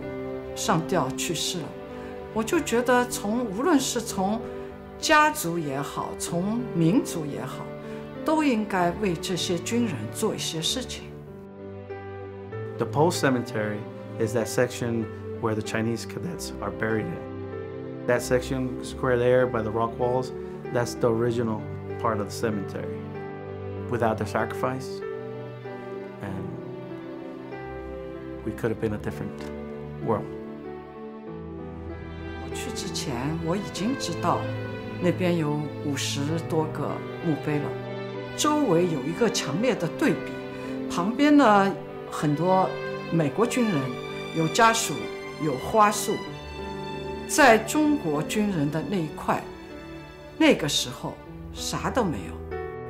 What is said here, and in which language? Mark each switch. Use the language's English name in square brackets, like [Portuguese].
[Chinese] 觉得呢，我二叔呢，就像从那个墓碑后面慢慢走出来了，还是那么年轻，因为他牺牲的时候才25岁，就像我在家里的老照片看到的那样。那我就立刻想到爷爷，也就是在60年代为了二叔就上吊去世了。我就觉得从无论是从家族也好，从民族也好，都应该为这些军人做一些事情。 [English] The Post Cemetery is that section where the Chinese cadets are buried in. That section square there by the rock walls, that's the original part of the cemetery. Without the sacrifice, and we could have been a different world. [Chinese] 去之前我已经知道那边有50多个墓碑了，周围有一个强烈的对比，旁边呢很多美国军人，有家属，有花束，在中国军人的那一块，那个时候啥都没有。